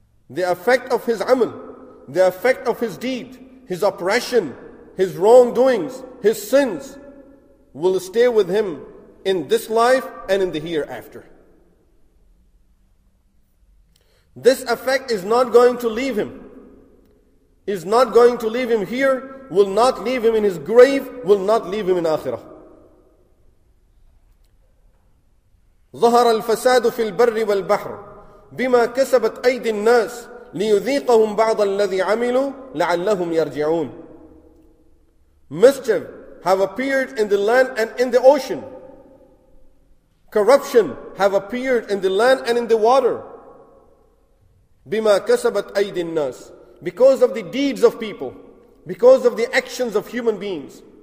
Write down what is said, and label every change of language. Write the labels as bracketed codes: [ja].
[en] The effect of his amal, the effect of his deed, his oppression, his wrongdoings, his sins, will stay with him in this life and in the hereafter. This effect is not going to leave him. Is not going to leave him here, will not leave him in his grave, will not leave him in Akhirah. [ar] ظهر الفساد في البر والبحر بما كسبت أيدي الناس ليذيقهم بعض الذي عملوا لعلهم يرجعون. [en] Mischief have appeared in the land and in the ocean. Corruption have appeared in the land and in the water. [ar] بما كسبت أيدي الناس, [en] because of the deeds of people, because of the actions of human beings.